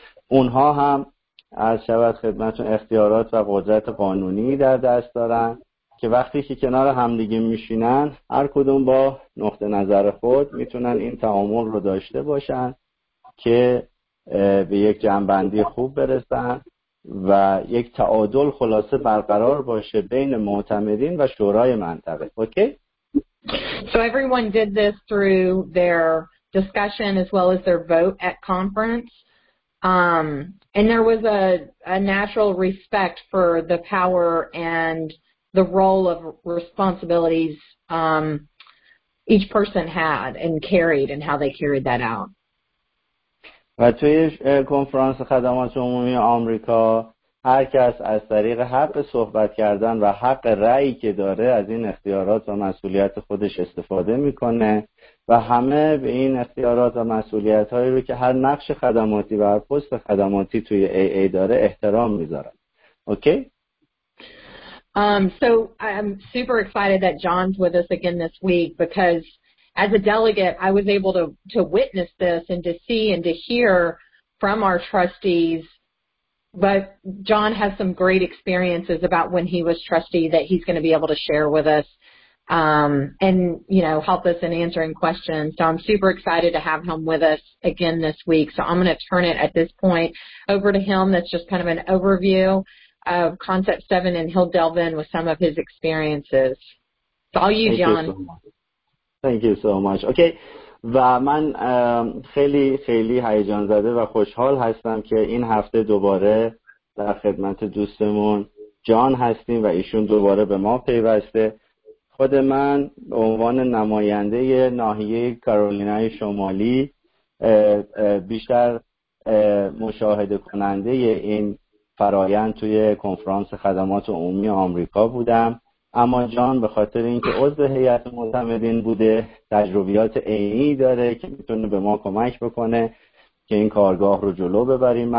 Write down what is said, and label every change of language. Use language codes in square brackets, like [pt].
[fa] اونها هم از شبت خدمتون اختیارات و قدرت قانونی در دست دارن که وقتی که کنار همدیگه میشینن هر کدوم با نقطه نظر خود میتونن این تعامل رو داشته باشن که به یک جنبندی خوب برسن و یک تعادل خلاصه برقرار باشه بین معتمدین و شورای منطقه. اوکی؟ [en] So everyone did this through their discussion as well as their vote at conference. And there was a natural respect for the power and the role of responsibilities each person had and carried and how they carried that out. [fa] و توی کنفرانس خدمات عمومی آمریکا هر کس از طریق حق صحبت کردن و حق رأی که داره از این اختیارات و مسئولیت خودش استفاده میکنه و همه به این اختیارات و مسئولیت هایی رو که هر نقش خدماتی و هر پست خدماتی توی AA داره احترام میذارن. اوکی؟ [en] So I'm super excited that John's with us again this week, because as a delegate, I was able to witness this and to see and to hear from our trustees. But John has some great experiences about when he was trustee that he's going to be able to share with us and, you know, help us in answering questions. So I'm super excited to have him with us again this week. So I'm going to turn it at this point over to him. That's just kind of an overview of Concept 7, and he'll delve in with some of his experiences. It's all you, John. Thank you so much. Okay. [fa] و من خیلی خیلی هیجان زده و خوشحال هستم که این هفته دوباره در خدمت دوستمون جان هستیم و ایشون دوباره به ما پیوسته. خود من به عنوان نماینده ناحیه کارولینای شمالی بیشتر مشاهده کننده این فرایند توی کنفرانس خدمات عمومی آمریکا بودم، اما جان به خاطر اینکه عضو هیئت معتمدین بوده، تجربیات عینی داره که میتونه به ما کمک بکنه که این کارگاه رو جلو ببریم.